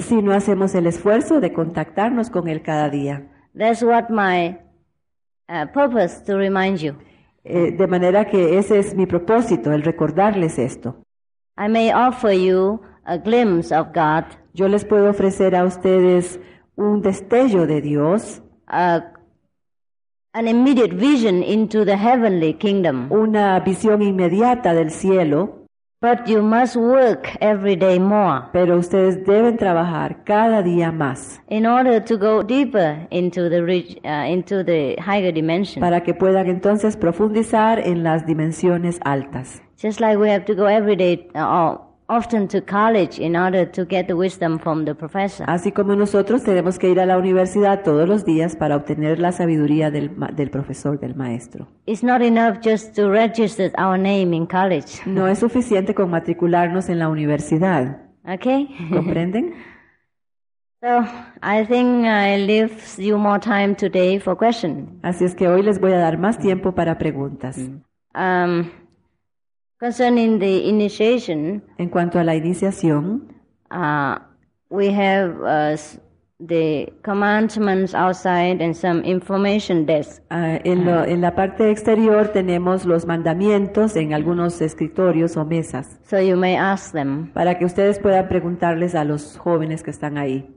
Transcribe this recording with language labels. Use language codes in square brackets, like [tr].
[es] Si no hacemos el esfuerzo de contactarnos con Él cada día. [en] That's what my purpose to remind you. [es] De manera que ese es mi propósito, el recordarles esto. [en] I may offer you a glimpse of God. [es] Yo les puedo ofrecer a ustedes un destello de Dios. [en] An immediate vision into the heavenly kingdom. [es] Una visión inmediata del cielo. [en] But you must work every day more. [es] Pero ustedes deben trabajar cada día más. [en] In order to go deeper into the rich, into the higher dimension. [es] Para que puedan entonces profundizar en las dimensiones altas. [en] Just like we have to go every day often to college in order to get the wisdom from the professor. [es] Así como nosotros tenemos que ir a la universidad todos los días para obtener la sabiduría del profesor, del maestro. [en] It's not enough just to register our name in college. [es] No es suficiente con matricularnos en la universidad. [en] Okay. [es] ¿Comprenden? [en] So, I think I leave you more time today for question. [es] Así es que hoy les voy a dar más tiempo para preguntas. [en] Concerning the initiation, [es] en cuanto a la iniciación, [en] we have the commandments outside and some information desk. [es] En la parte exterior tenemos los mandamientos en algunos escritorios o mesas. [en] So you may ask them. [es] Para que ustedes puedan preguntarles a los jóvenes que están ahí.